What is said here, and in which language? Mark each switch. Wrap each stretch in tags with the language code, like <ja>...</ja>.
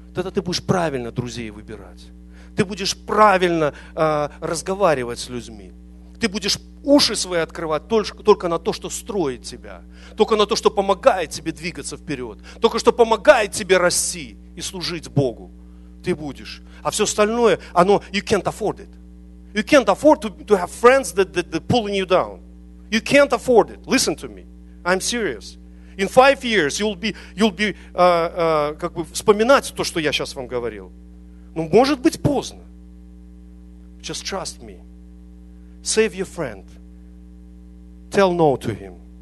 <ru>Тогда ты будешь правильно друзей выбирать. Ты будешь правильно разговаривать с людьми. Ты будешь уши свои открывать только на то, что строит тебя. Только на то, что помогает тебе двигаться вперед. Только что помогает тебе расти и служить Богу. Ты будешь. А все остальное, оно,</ru> <en>you can't afford it. You can't afford to have friends that pulling you down. You can't afford it. Listen to me. I'm serious. In 5 years you'll be</en> <ru>вспоминать то, что я сейчас вам говорил. Ну, может быть, поздно.</ru> <en>Just trust me. Save your friend. Tell no to him.</en>